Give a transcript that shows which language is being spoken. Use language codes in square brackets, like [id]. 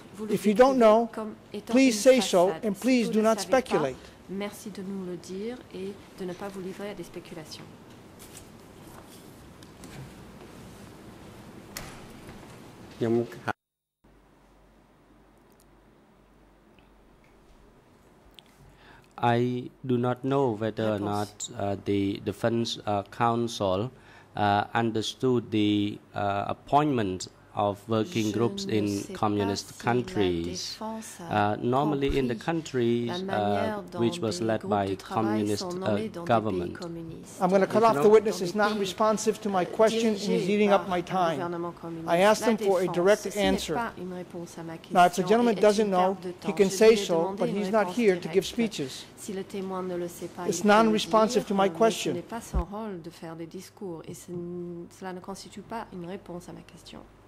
[en] If you don't know, please say so, and please do not speculate. [fr] Merci de nous le dire et de ne pas vous livrer à des spéculations. [en] I do not know whether or not the Defense Council understood the appointment of working groups in communist countries. Normally in the countries which was led by communist government. I'm going to cut off the witness. He's not responsive to my question and he's eating up my time. I asked him for a direct answer. Now, if the gentleman doesn't know, he can say so, but he's not here to give speeches. It's non-responsive to my question. [fr] Ce n'est pas son rôle de faire des discours et cela ne constitue pas une réponse à ma question.